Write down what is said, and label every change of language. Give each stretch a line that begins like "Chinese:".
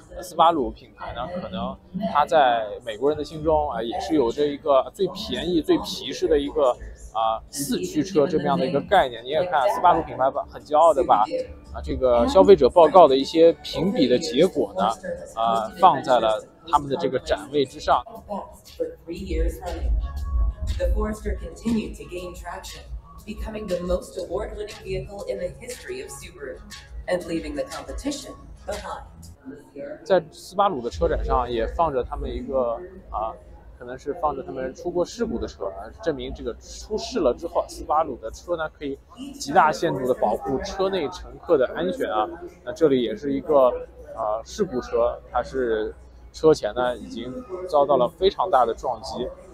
Chinese: 斯巴鲁品牌呢，可能它在美国人的心中也是有着一个最便宜最皮实的一个四驱车这么样的一个概念。你也看斯巴鲁品牌很骄傲的把这个消费者报告的一些评比的结果呢放在了他们的这个展位之上。
English: The Forester continued to gain traction, becoming the most award-winning vehicle in the history of Subaru, and leaving the competition behind.
Chinese: 在斯巴鲁的车展上也放着他们一个可能是放着他们出过事故的车，证明这个出事了之后，斯巴鲁的车呢可以极大限度的保护车内乘客的安全啊。那这里也是一个事故车，它是车前呢已经遭到了非常大的撞击。